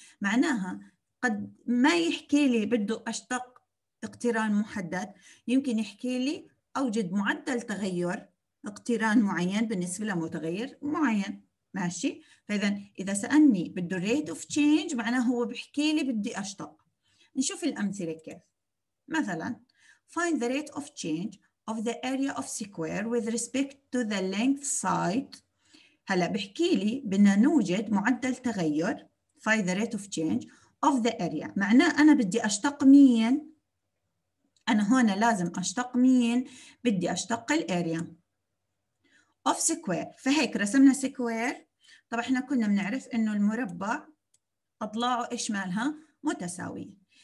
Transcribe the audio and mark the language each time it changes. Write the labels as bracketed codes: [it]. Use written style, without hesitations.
[ar] معناها قد ما يحكي لي بده أشتق اقتران محدد، يمكن يحكي لي أوجد معدل تغير اقتران معين بالنسبة لمتغير معين، ماشي؟ فإذا إذا سألني بده [en] rate of change [ar] معناه هو بحكي لي بدي أشتق. نشوف الأمثلة كيف. مثلا [en] find the rate of change of the area of square with respect to the length side. [ar] هلأ بحكي لي بدنا نوجد معدل تغير [en] find the rate of change of the area، [ar] معناه أنا بدي أشتق مين؟ أنا هون لازم أشتق مين؟ بدي أشتق الأريا [en] of square. [ar] فهيك رسمنا سكوير، طب إحنا كنا بنعرف إنه المربع أضلاعه إيش مالها؟ متساوية.